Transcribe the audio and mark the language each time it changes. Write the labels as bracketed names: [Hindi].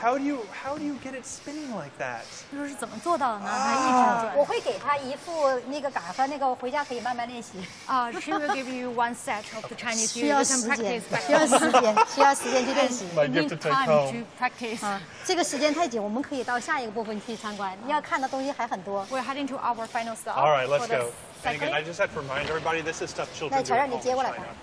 [English] How do you get it spinning like that? [Chinese] 就是怎么做到的呢？它一直转。我会给他一副那个杆和那个，回家可以慢慢练习。 [English] 啊 ，She will give you one set of the Chinese. [Chinese] 需要时间，需要时间去练习。 [English] My gift to take home. Time to practice. 啊， [Chinese] 这个时间太紧，我们可以到下一个部分去参观。要看的东西还很多。 [English] We're heading to our final stop. All right, let's go. And again, I just have to remind everybody, this is stuff children do in China.